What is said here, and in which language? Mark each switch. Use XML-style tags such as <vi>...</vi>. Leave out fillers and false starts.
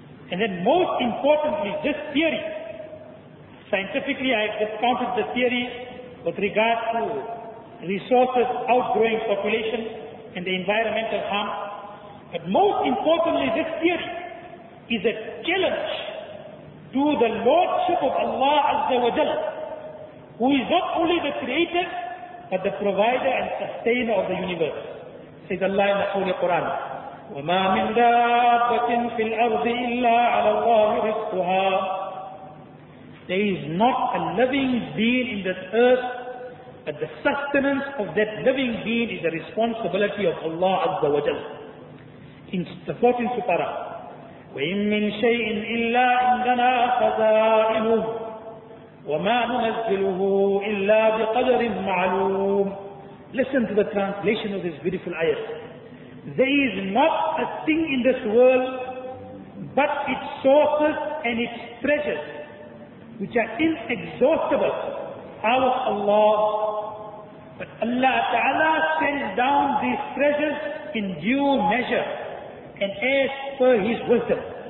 <en>And then most importantly, this theory, scientifically I have discounted the theory with regard to resources outgrowing population and the environmental harm. But most importantly, this theory is a challenge to the Lordship of Allah Azza wa Jalla, who is not only the creator, but the provider and sustainer of the universe. Says Allah in the Holy Quran,</en> <ar>وَمَا مِنْ دَابَّةٍ فِي الْأَرْضِ إِلَّا عَلَى اللَّهِ رِزْقُهَا.</ar> <en>There is not a living being in this earth, but the sustenance of that living being is the responsibility of Allah Azza wa Jalla. In the 14th Sutara,</en> <ar>وَإِن مِّن شَيْءٍ إِلَّا عِنْدَنَا خَزَائِنُهُ وَمَا نُنَزِّلُهُ إِلَّا بِقَدَرٍ مَعْلُومٍ.</ar> <en>Listen to the translation of this beautiful ayah. There is not a thing in this world but its sources and its treasures, which are inexhaustible, out of Allah. But Allah Ta'ala sends down these treasures in due measure and as per His wisdom.</en>